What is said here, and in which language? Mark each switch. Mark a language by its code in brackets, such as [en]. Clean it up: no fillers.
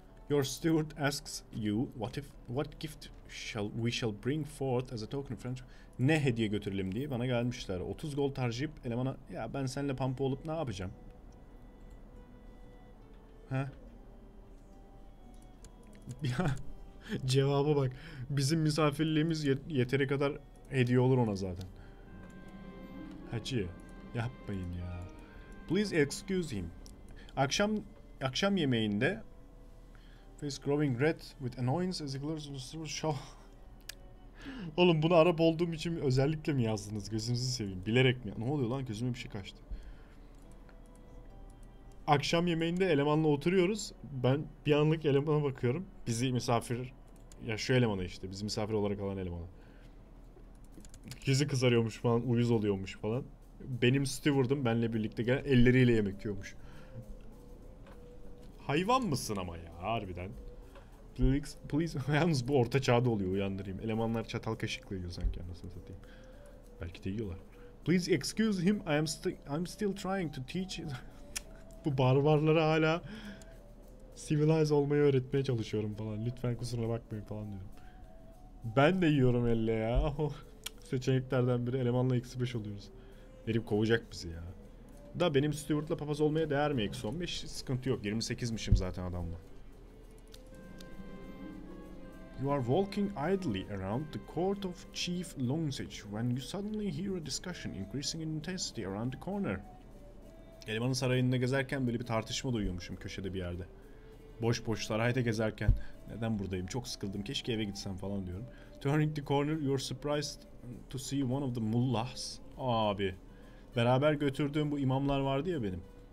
[en] Your steward asks you what gift shall we shall bring forth as a token of friendship. [tr] Ne hediye götürelim diye bana gelmişler. 30 gold harcayıp elemana, ya ben seninle pampa olup ne yapacağım? He? Ya cevaba bak. Bizim misafirliğimiz yeteri kadar hediye olur ona zaten. Hacı, yapmayın ya. [en] Please excuse him. [tr] Akşam yemeğinde [en] face growing red with annoyance as he glares at the show. [tr] Oğlum bunu Arap olduğum için özellikle mi yazdınız? Gözünüzü seveyim. Bilerek mi? Ne oluyor lan? Gözüme bir şey kaçtı. Akşam yemeğinde elemanla oturuyoruz. Ben bir anlık elemana bakıyorum. Bizi misafir... Ya şu elemana işte. Bizi misafir olarak alan elemana. Yüzü kızarıyormuş falan. Uyuz oluyormuş falan. Benim steward'ım benimle birlikte gelen elleriyle yemek yiyormuş. Hayvan mısın ama ya? Harbiden. [en] Please, [tr] yalnız bu orta çağda oluyor, uyandırayım. Elemanlar çatal kaşıkla yiyor sanki, anasını satayım. Belki de yiyorlar. [en] Please excuse him, I'm still trying to teach. [tr] Bu barbarlara hala civilize olmayı öğretmeye çalışıyorum falan. Lütfen kusuruna bakmayın falan diyorum. Ben de yiyorum elle ya. Seçeneklerden biri, elemanla -5 oluyoruz. Herif kovacak bizi ya. Da benim steward'la papaz olmaya değer mi -15? Sıkıntı yok, 28'mişim zaten adamla. [en] You are walking idly around the court of Chief Longsage when you suddenly hear a discussion increasing in intensity around the corner. [tr] Elemanın sarayında gezerken böyle bir tartışma duyuyormuşum köşede bir yerde. Boş boş sarayda gezerken neden buradayım, çok sıkıldım, keşke eve gitsem falan diyorum. [en] Turning the corner you're surprised to see one of the mullahs. [tr] Abi, beraber götürdüğüm bu imamlar vardı ya benim.